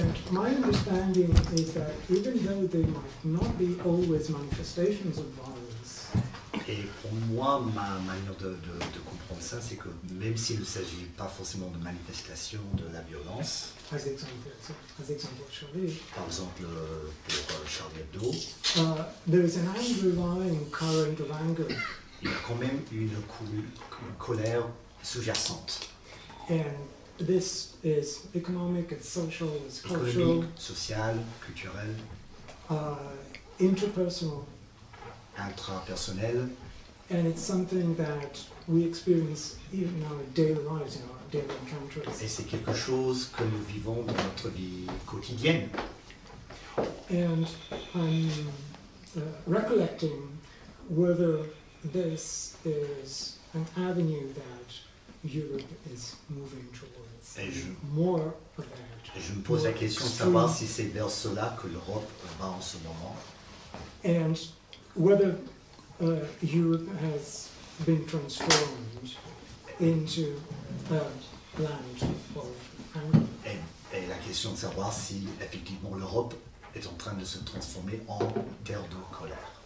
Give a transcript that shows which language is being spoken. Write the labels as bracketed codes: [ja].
[en] My understanding is that even though they might not be always manifestations of violence. [fr] Et pour moi, ma manière de comprendre ça, c'est que même s'il ne s'agit pas forcément de manifestation de la violence, par exemple pour Charlie Hebdo, [en] there is an angry line, current of anger. [fr] Il y a quand même une colère sous-jacente. [en] And this is economic and social, it's cultural, [fr] économique, sociale, culturelle, [en] interpersonal. [fr] Intrapersonnel. [en] And it's something that we experience even in our daily lives, in our daily encounters. [fr] Et c'est quelque chose que nous vivons dans notre vie quotidienne. [en] And I'm recollecting whether this is an avenue that Europe is moving towards. [fr] Je me pose la question de savoir si c'est vers cela que l'Europe va en ce moment. [en] And whether Europe has been transformed into a land of anger. [fr] Et la question de savoir si effectivement l'Europe est en train de se transformer en terre de colère.